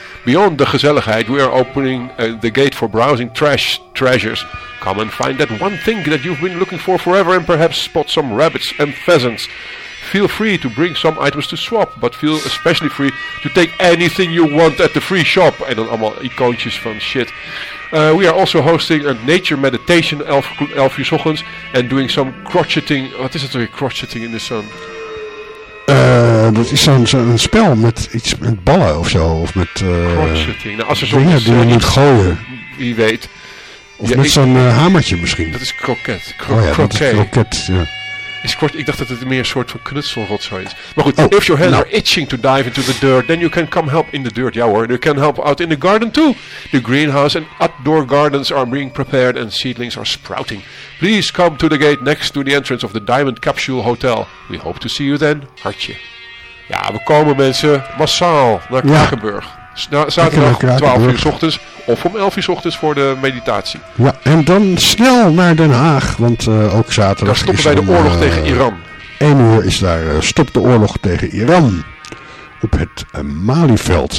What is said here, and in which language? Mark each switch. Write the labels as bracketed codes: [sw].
[en] Beyond the gezelligheid, we are opening the gate for browsing trash treasures. Come and find that one thing that you've been looking for forever and perhaps spot some rabbits and pheasants. Feel free to bring some items to swap, but feel especially free to take anything you want at the free shop. [nl] En dan allemaal icoontjes van shit. [en] We are also hosting a nature meditation [nl] 11 uur 's ochtends [en] and doing some crocheting. [nl] Wat is het weer, crocheting in de zon? Dat is zo'n spel met iets met ballen of zo. Of met crocheting. Nou, als er dingen die je moet gooien. Wie weet. Of ja, met zo'n hamertje misschien. Dat is kroket. Kroket, ja. Ik dacht dat het meer een soort van knutselrotzooi is. Maar goed, [en] if your hands are itching to dive into the dirt, then you can come help in the dirt. [nl] Ja hoor, [en] you can help out in the garden too. The greenhouse and outdoor gardens are being prepared and seedlings are sprouting. Please come to the gate next to the entrance of the Diamond Capsule Hotel. We hope to see you then, hartje. [nl] Ja, we komen mensen massaal naar Krakenburg. Zaterdag om 12 uur 's ochtends of om 11 uur 's ochtends voor de meditatie. Ja, en dan snel naar Den Haag, want ook zaterdag. Daar stoppen wij de oorlog tegen Iran. 1 uur is daar stop de oorlog tegen Iran op het Malieveld.